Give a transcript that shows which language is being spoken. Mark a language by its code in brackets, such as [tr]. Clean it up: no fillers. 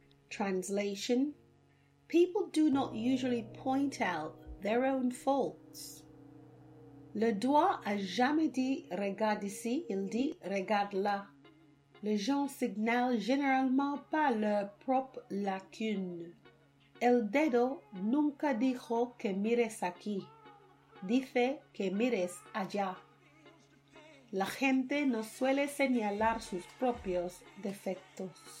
[en] Translation: people do not usually point out their own faults. [fr] Le doigt a jamais dit regarde ici, il dit regarde là. Les gens signalent généralement pas leur propre lacune. [es] El dedo nunca dijo que mires aquí, dice que mires allá. La gente no suele señalar sus propios defectos.